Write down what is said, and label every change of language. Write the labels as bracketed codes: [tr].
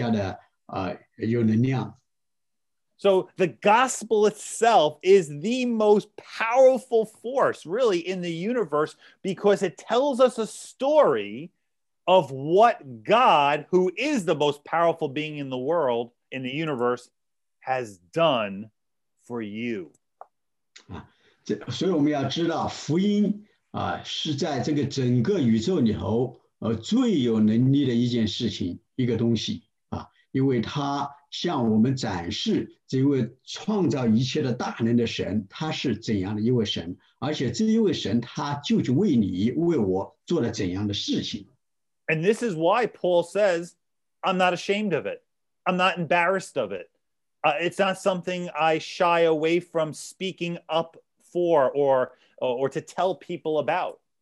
[zh] 所以我们要想到这个能力是比闪电要更加的有能力，比那个瀑布能够更加的宏伟，更加的磅礴，比那个太阳能够更加的耀眼，更加的有能量。 [en] So the gospel itself is the most powerful force really in the universe because it tells us a story of what God, who is the most powerful being in the world, in the universe, has done for you. [zh] 所以我们要知道福音是在这个整个宇宙里头最有能力的一件事情，一个东西，因为它 向我们展示这位创造一切的大能的神，他是怎样的一位神，而且这一位神他究竟为你为我做了怎样的事情。 [en] And this is why Paul says, I'm not ashamed of it. I'm not embarrassed of it. It's not something I shy away from speaking up for or to tell people about.